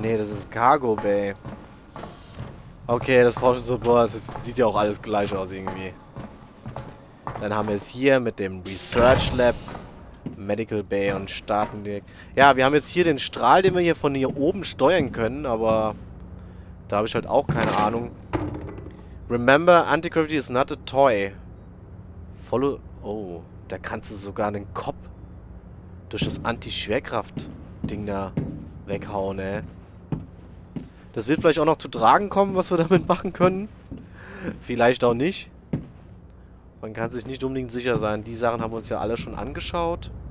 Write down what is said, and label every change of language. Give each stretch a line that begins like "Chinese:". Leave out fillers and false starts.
German: Ah, nee, das ist Cargo Bay. Okay, das Forschungslabor, das sieht ja auch alles gleich aus irgendwie. Dann haben wir es hier mit dem Research Lab, Medical Bay und starten direkt. Ja, wir haben jetzt hier den Strahl, den wir hier von hier oben steuern können, aber da habe ich halt auch keine Ahnung.
English: Remember, Anti-Gravity is not a toy. Follow.
German: Oh, da kannst du sogar einen Kopf durch das Anti-Schwerkraft-Ding da weghauen, ey. Das wird vielleicht auch noch zu tragen kommen, was wir damit machen können. Vielleicht auch nicht. Man kann sich nicht unbedingt sicher sein. Die Sachen haben wir uns ja alle schon angeschaut.